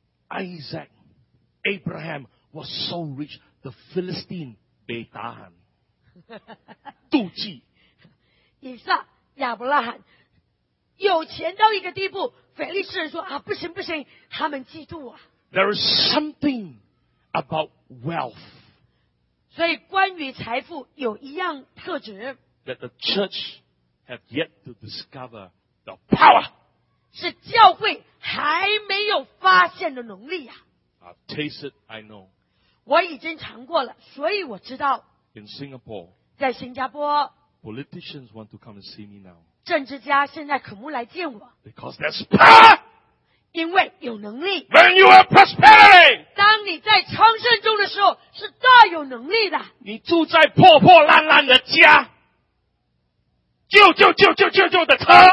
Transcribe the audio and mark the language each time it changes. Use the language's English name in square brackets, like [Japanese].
[English] Isaac, Abraham was so rich, the Philistine, Betahan, 妒忌。 [Chinese] 以撒、亚伯拉罕有钱到一个地步，腓力斯人说啊，不行不行，他们嫉妒啊。 [English] There is something about wealth. [Chinese] 所以关于财富有一样特质。 [English] That the church have yet to discover the power. [Chinese] 是教会还没有发现的能力啊 [English] I've tasted, I know. [Chinese] 我已经尝过了所以我知道 [English] In Singapore, [Chinese] 在新加坡 [English] Politicians want to come and see me now. [Chinese] 政治家现在渴慕来见我 [English] Because there's power! [Chinese] 因为有能力 [English] When you are prospering! [Chinese] 当你在昌盛中的时候是大有能力的你住在破破烂烂的家旧的车